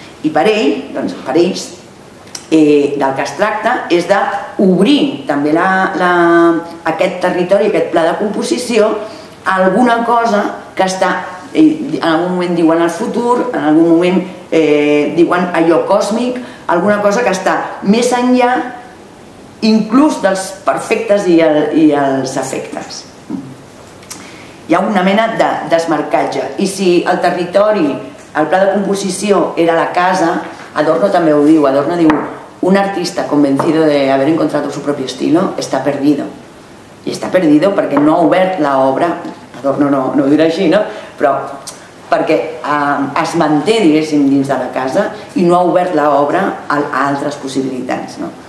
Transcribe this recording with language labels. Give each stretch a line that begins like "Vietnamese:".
Catalan: I per ell, doncs, per ells, del que es tracta és d'obrir també aquest territori, aquest pla de composició, a alguna cosa que està, en algun moment diuen el futur, en algun moment diuen allò còsmic, alguna cosa que està més enllà inclús dels perfectes i els efectes. Hi ha una mena de desmarcatge. I si el territori, el pla de composició era la casa, Adorno també ho diu, Adorno diu,
Spanish: un artista convencido de haber encontrado su propio estilo está perdido.
Catalan: I està perdido perquè no ha obert l'obra, Adorno no ho dirà així, no? Però perquè es manté, diguéssim, dins de la casa i no ha obert l'obra a altres possibilitats, no?